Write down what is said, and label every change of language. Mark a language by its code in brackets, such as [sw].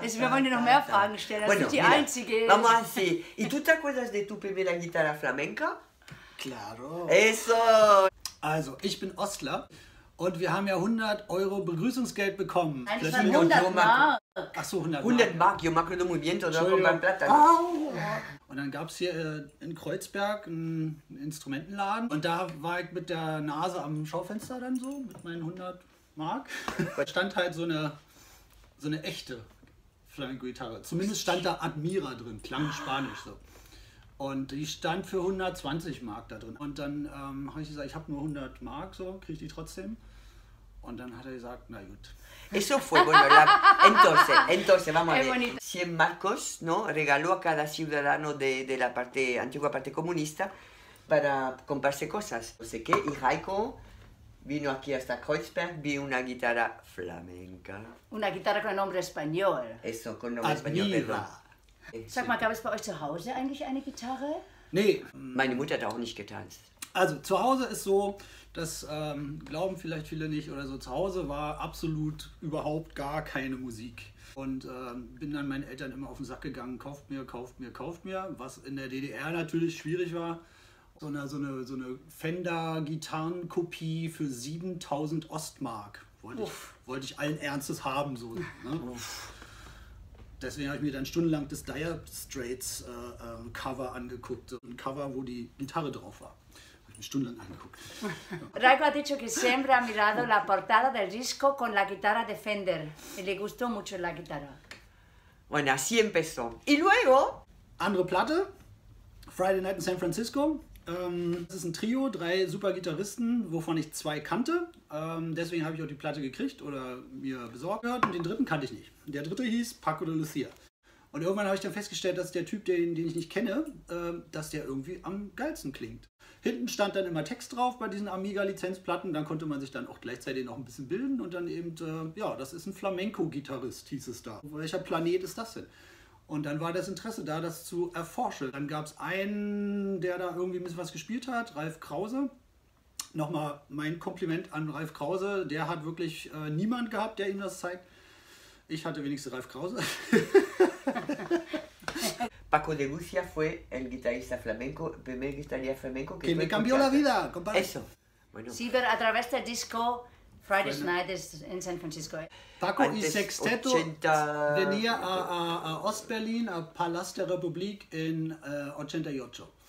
[de] Wir wollen dir noch mehr Fragen stellen, das ist die einzige. [es] Vamos a decir, ¿y tú te acuerdas de tu primera guitarra flamenca? Claro. Eso. [de] Also, ich bin Ostler. Und wir haben ja 100 Euro Begrüßungsgeld bekommen. Das sind 100 Mark. Ach so, 100 Mark. [es] 100 Mark, yo me acuerdo muy bien, todo con mi plata. [de] Und dann gab es hier in Kreuzberg einen Instrumentenladen. Und da war ich mit der Nase am Schaufenster dann so, mit meinen 100 Mark. Da stand halt so eine echte Flamenco-Gitarre. Zumindest stand da Admira drin, klang spanisch so. Und die stand für 120 Mark da drin. Und dann habe ich gesagt, ich habe nur 100 Mark, so kriege ich die trotzdem. Und dann hat er gesagt, na gut. [es] Eso fue bueno. Entonces, vamos a ver. 100 Marcos, ¿no? Regaló a cada ciudadano de la parte, antigua parte comunista, para comprarse cosas. No sé qué. Y Heiko vino aquí hasta Kreuzberg, vi una guitarra flamenca. Una guitarra con nombre español. Eso, con nombre español, perdón. [de] Sag mal, gab es bei euch zu Hause eigentlich eine Gitarre? Nee. Meine Mutter hat auch nicht getanzt. Also zu Hause ist so, das glauben vielleicht viele nicht oder so, zu Hause war absolut überhaupt gar keine Musik. Und bin dann meinen Eltern immer auf den Sack gegangen, kauft mir, kauft mir, kauft mir, was in der DDR natürlich schwierig war. So eine Fender-Gitarrenkopie für 7000 Ostmark wollte ich allen Ernstes haben. So, ne? Deswegen habe ich mir dann stundenlang das Dire Straits Cover angeguckt. Ein Cover, wo die Gitarre drauf war. Habe ich mir stundenlang angeguckt. [es] Raiko hat dicho que siempre ha mirado la portada del disco con la guitarra de Fender. Y le gustó mucho la guitarra. Bueno, así empezó. Y luego... [de] Andere Platte. Friday Night in San Francisco. Das ist ein Trio, drei super Gitarristen, wovon ich zwei kannte. Deswegen habe ich auch die Platte gekriegt oder mir besorgt gehört. Und den dritten kannte ich nicht. Der dritte hieß Paco de Lucía. Und irgendwann habe ich dann festgestellt, dass der Typ, den ich nicht kenne, dass der irgendwie am geilsten klingt. Hinten stand dann immer Text drauf bei diesen Amiga-Lizenzplatten. Dann konnte man sich dann auch gleichzeitig noch ein bisschen bilden. Und dann eben, ja, das ist ein Flamenco-Gitarrist, hieß es da. Welcher Planet ist das denn? Und dann war das Interesse da, das zu erforschen. Dann gab es einen, der da irgendwie ein bisschen was gespielt hat, Ralf Krause. Nochmal mein Kompliment an Ralf Krause. Der hat wirklich niemand gehabt, der ihm das zeigt. Ich hatte wenigstens Ralf Krause. [es] Paco de Lucía fue el guitarrista flamenco, primer guitarrista flamenco. Que me cambió la vida, compadre. Eso. Bueno. Sí, pero a través del disco... [en] Friday night is in San Francisco. [es] Paco y Sexteto 80... venía a Ost-Berlin, a Palast der Republik in 88.